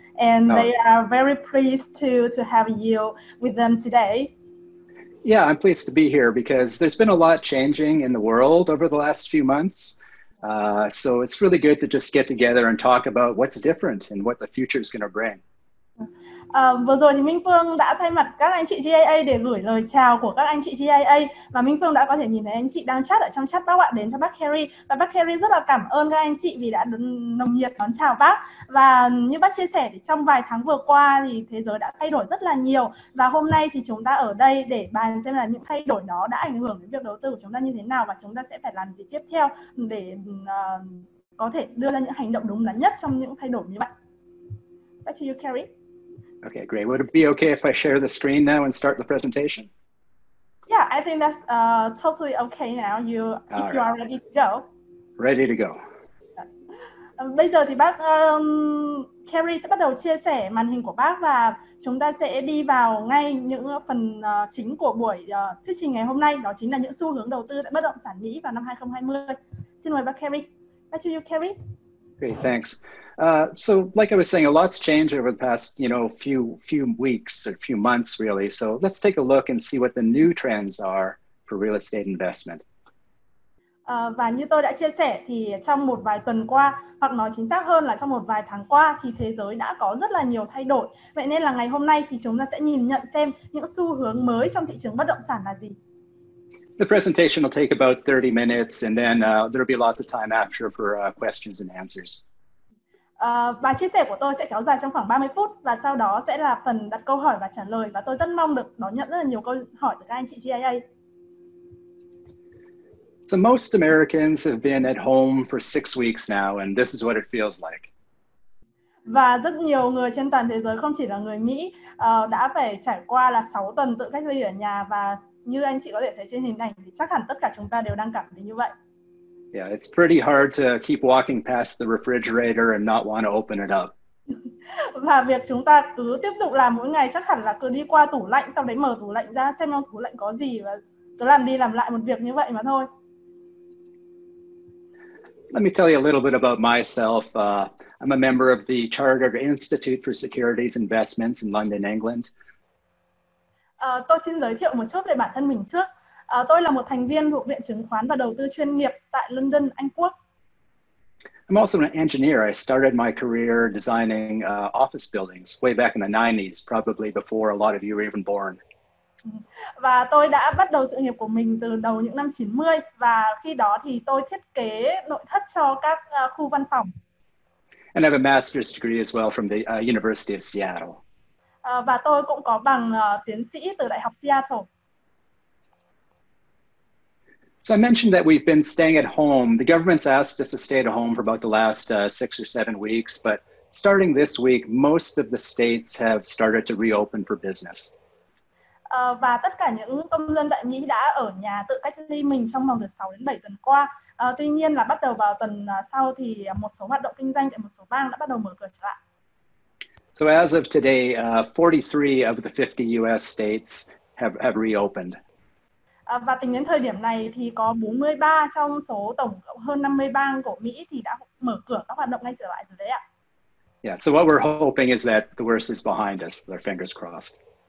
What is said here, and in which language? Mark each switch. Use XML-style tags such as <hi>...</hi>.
<en>And they are very pleased to have you with them today. Yeah, I'm pleased to be here because there's been a lot changing in the world over the last few months. So it's really good to just get together and talk about what's different and what the future is going to bring.</en> <vi>Vừa rồi thì Minh Phương đã thay mặt các anh chị GIA để gửi lời chào của các anh chị GIA. Và Minh Phương đã có thể nhìn thấy anh chị đang chat ở trong chat bác ạ đến cho bác Kerry. Và bác Kerry rất là cảm ơn các anh chị vì đã nồng nhiệt đón chào bác. Và như bác chia sẻ thì trong vài tháng vừa qua thì thế giới đã thay đổi rất là nhiều. Và hôm nay thì chúng ta ở đây để bàn xem là những thay đổi đó đã ảnh hưởng đến việc đầu tư của chúng ta như thế nào. Và chúng ta sẽ phải làm gì tiếp theo để có thể đưa ra những hành động đúng đắn nhất trong những thay đổi như vậy.</vi> <en>Back to you, Kerry. Okay, great. Would it be okay if I share the screen now and start the presentation? Yeah, I think that's totally okay now. You are ready to go. Ready to go.</en> <vi>Bây giờ thì bác Carrie sẽ bắt đầu chia sẻ màn hình của bác và chúng ta sẽ đi vào ngay những phần chính của buổi thuyết trình ngày hôm nay, đó chính là những xu hướng đầu tư tại bất động sản Mỹ vào năm 2020. Xin mời bác Carrie.</vi> <en>Back to you, Carrie. Great, thanks. So like I was saying, a lot's changed over the past, you know, few weeks or few months, really. So let's take a look and see what the new trends are for real estate investment.</en> <vi>Và như tôi đã chia sẻ thì trong một vài tuần qua, hoặc nói chính xác hơn là trong một vài tháng qua thì thế giới đã có rất là nhiều thay đổi. Vậy nên là ngày hôm nay thì chúng ta sẽ nhìn nhận xem những xu hướng mới trong thị trường bất động sản là gì.</vi> <en>The presentation will take about 30 minutes and then there'll be lots of time after for questions and answers.</en> <vi>Và chia sẻ của tôi sẽ kéo dài trong khoảng 30 phút và sau đó sẽ là phần đặt câu hỏi và trả lời và tôi rất mong được đón nhận rất là nhiều câu hỏi từ các anh chị GIA.</vi> <en>So most Americans have been at home for 6 weeks now and this is what it feels like.</en> <vi>Và rất nhiều người trên toàn thế giới không chỉ là người Mỹ đã phải trải qua là 6 tuần tự cách ly ở nhà và như anh chị có thể thấy trên hình ảnh thì chắc hẳn tất cả chúng ta đều đang cảm thấy như vậy.</vi> <en>Yeah, it's pretty hard to keep walking past the refrigerator and not want to open it up.</en> <vi>Và việc chúng ta cứ tiếp tục làm mỗi ngày chắc hẳn là cứ đi qua tủ lạnh sau đấy mở tủ lạnh ra xem trong tủ lạnh có gì và cứ làm đi làm lại một việc như vậy mà thôi.</vi> <en>Let me tell you a little bit about myself. I'm a member of the Chartered Institute for Securities Investments in London, England.</en> <vi>Tôi xin giới thiệu một chút về bản thân mình trước. Tôi là một thành viên thuộc Viện Chứng khoán và Đầu tư chuyên nghiệp tại London, Anh Quốc.</vi> <en>I'm also an engineer. I started my career designing office buildings way back in the 90s, probably before a lot of you were even born.</en> <vi>Và tôi đã bắt đầu sự nghiệp của mình từ đầu những năm 90 và khi đó thì tôi thiết kế nội thất cho các khu văn phòng.</vi> <en>And I have a master's degree as well from the University of Seattle.</en> <vi>Và tôi cũng có bằng tiến sĩ từ Đại học Seattle.</vi> <en>So I mentioned that we've been staying at home. The government's asked us to stay at home for about the last 6 or 7 weeks, but starting this week, most of the states have started to reopen for business.</en> <vi>Và tất cả những công dân tại Mỹ đã ở nhà tự cách ly mình trong vòng từ 6 đến 7 tuần qua. Tuy nhiên là bắt đầu vào tuần sau thì một số hoạt động kinh doanh tại một số bang đã bắt đầu mở cửa trở lại.</vi> <en>So as of today, 43 of the 50 US states have reopened.</en> <vi>Và tính đến thời điểm này thì có 43 trong số tổng cộng hơn 50 bang của Mỹ thì đã mở cửa các hoạt động ngay trở lại rồi đấy ạ.</vi> <en>Yeah, so what we're hoping is that the worst is behind us, with our fingers crossed.</en>